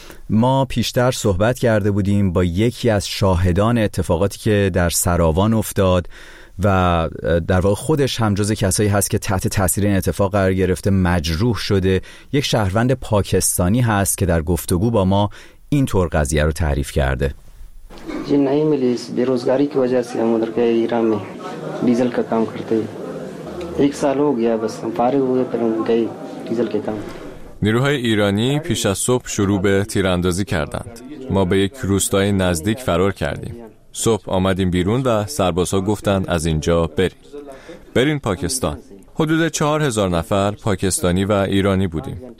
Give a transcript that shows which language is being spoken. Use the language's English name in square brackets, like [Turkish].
[Persian] ما پیشتر صحبت کرده بودیم با یکی از شاهدان اتفاقاتی که در سراوان افتاد و در واقع خودش هم جز کسایی هست که تحت تاثیر این اتفاق قرار گرفته، مجروح شده. یک شهروند پاکستانی هست که در گفتگو با ما این طور قضیه رو تعریف کرده. [Urdu] جی نئی ملی بیروزگاری کی وجہ سے ہم ادھر کے ایران میں ڈیزل کا کام کرتے ہیں، ایک سال ہو گیا بس ہم فارغ ہوئے پھر ہم گئے ڈیزل کے کام. [Persian] نیروهای ایرانی پیش از صبح شروع به تیراندازی کردند. ما به یک روستای نزدیک فرار کردیم. صبح آمدیم بیرون و سربازها گفتند از اینجا برید. برید پاکستان. حدود 4000 نفر پاکستانی و ایرانی بودیم.